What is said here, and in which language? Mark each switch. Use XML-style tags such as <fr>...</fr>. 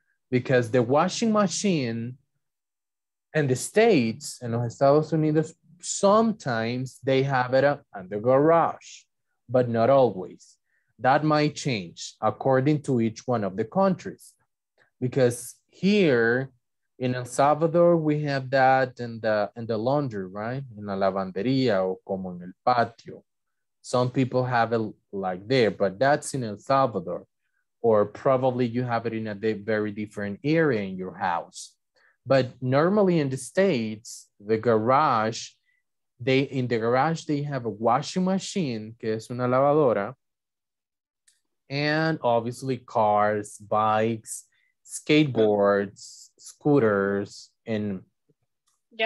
<en>Because the washing machine in the States, in los Estados Unidos, sometimes they have it in the garage, but not always. That might change according to each one of the countries. Because here in El Salvador, we have that in the laundry, right?</en> <es>In la lavandería o como en el patio.</es> <en>Some people have it like there, but that's in El Salvador. Or probably you have it in a very different area in your house. But normally in the States, the garage, they have a washing machine,</en> <es>que es una lavadora,</es> <en>and obviously cars, bikes, skateboards, scooters, and yeah.</en>